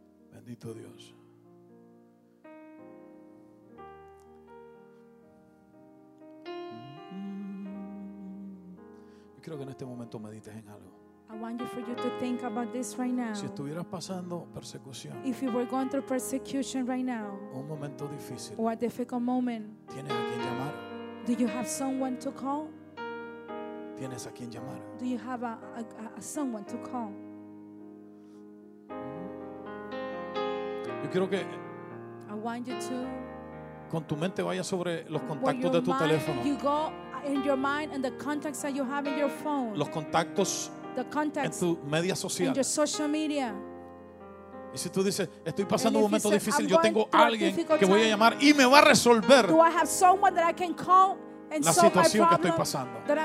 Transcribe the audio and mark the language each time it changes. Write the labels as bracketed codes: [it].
[es] Bendito Dios. Yo quiero que en este momento medites en algo. [en] I want you for you to think about this right now. [es] Si estuvieras pasando persecución, [en] if you were going through persecution right now, [es] un momento difícil, [en] or a difficult moment, [es] ¿tienes a quien llamar? [en] Do you have someone to call? [es] ¿Tienes a quien llamar? [en] Do you have a someone to call? [es] Yo quiero que [en] I want you to [es] con tu mente vaya sobre los contactos de tu teléfono. [en] You go in your mind and the contacts that you have in your phone. [es] Los contactos, [en] the context, [es] en tu media social, [en] in your social media. [es] Y si tú dices, estoy pasando un momento difícil, yo tengo alguien que voy a llamar y me va a resolver la situación que estoy pasando.